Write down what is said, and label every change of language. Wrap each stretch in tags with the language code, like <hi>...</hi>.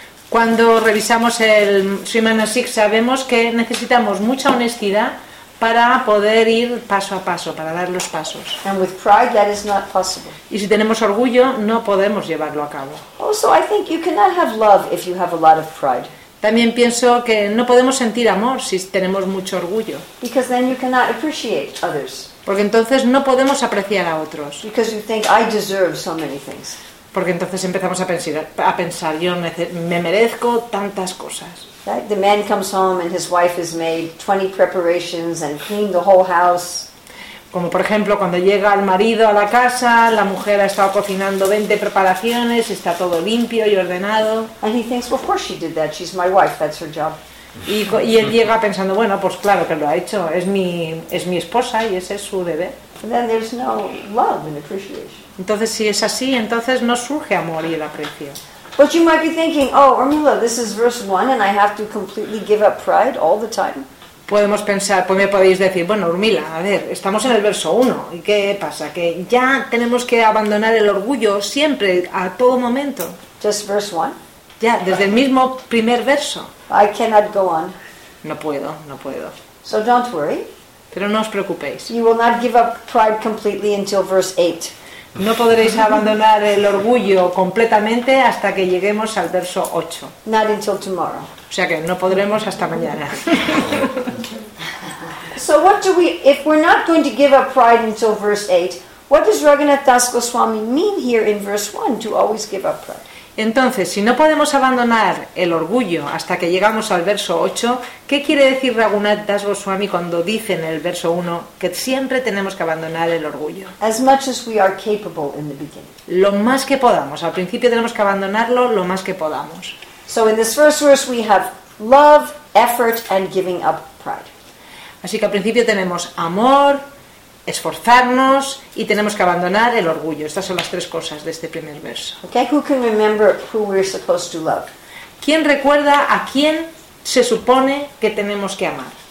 <es>Cuando revisamos el Sri Manushiksha, vemos que necesitamos mucha honestidad para poder ir paso a paso, para dar los pasos.</es> <en>And with pride, that is not possible.</en> <es>Y si tenemos orgullo, no podemos llevarlo a cabo.</es> <en>Also, I think you cannot have love if you have a lot of pride.</en> <es>También pienso que no podemos sentir amor si tenemos mucho orgullo.</es> <en>Because then you cannot appreciate others.</en> <es>Porque entonces no podemos apreciar a otros.</es> <en>Because you think I deserve so many things.</en> <es>Porque entonces empezamos a pensar yo me merezco tantas cosas.</es> <en>The man comes home and his wife has made 20 preparations and cleaned the whole house.</en> <es>Como por ejemplo cuando llega el marido a la casa, la mujer ha estado cocinando 20 preparaciones, está todo limpio y ordenado.</es> <en>And he thinks, well, of course she did that. She's my wife. That's her job.</en> <es>Y él llega pensando, bueno, pues claro que lo ha hecho. Es mi esposa y ese es su deber.</es> <en>And then there's no love and appreciation.</en> <es>Entonces si es así, entonces no surge amor y el aprecio.</es> <en>But you might be thinking, oh, Urmila, this is verse 1 and I have to completely give up pride all the time.</en> <es>Podemos pensar, pues me podéis decir, bueno, Urmila, a ver, estamos en el verso 1, ¿y qué pasa? Que ya tenemos que abandonar el orgullo siempre, a todo momento.</es> <en>Just verse 1?</en> <es>Ya, desde el mismo primer verso.</es> <en>I cannot go on.</en> <es>No puedo.</es> <en>So don't worry.</en> <es>Pero no os preocupéis.</es> <en>You will not give up pride completely until verse 8.</en> <es>No podréis abandonar el orgullo completamente hasta que lleguemos al verso 8.</es> <en>Not until tomorrow.</en> <es>O sea que no podremos hasta mañana.</es> <en>So what do we, if we're not going to give up pride until verse 8, what does Raghunath Das Goswami mean here in verse 1 to always give up pride?</en> <es>Entonces, si no podemos abandonar el orgullo hasta que llegamos al verso 8, ¿qué quiere decir Raghunath Das Goswami cuando dice en el verso 1 que siempre tenemos que abandonar el orgullo?</es> <en>As much as we are capable in the beginning.</en> <es>Lo más que podamos. Al principio tenemos que abandonarlo lo más que podamos.</es> <en>So in this first verse we have love, effort and giving up pride.</en> <es>Así que al principio tenemos amor, esforzarnos y tenemos que abandonar el orgullo. Estas son las tres cosas de este primer verso.</es> <en>Okay, who can remember who we're supposed to love?</en> <es>¿Quién recuerda a quién se supone que tenemos que amar?</es>